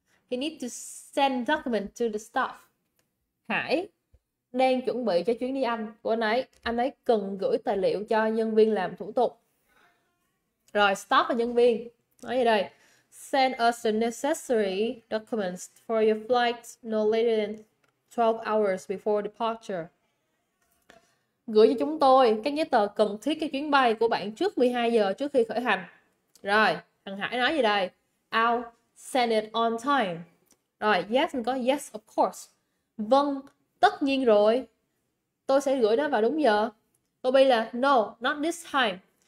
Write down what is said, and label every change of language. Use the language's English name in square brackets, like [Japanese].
[English] He need to send document to the staff. [Vietnamese] Hải đang chuẩn bị cho chuyến đi Anh của anh ấy. Anh ấy cần gửi tài liệu cho nhân viên làm thủ tục. Rồi, staff và nhân viên. Nói gì đây? [English] Send us the necessary documents for your flight no later than 12 hours before departure. [Vietnamese] Gửi cho chúng tôi các giấy tờ cần thiết cho chuyến bay của bạn trước 12 giờ trước khi khởi hành. Rồi, thằng Hải nói gì đây? I'll send it on time. Rồi, yes, mình có yes, of course. Vâng, tất nhiên rồi. Tôi sẽ gửi nó vào đúng giờ. Câu B là no, not this time.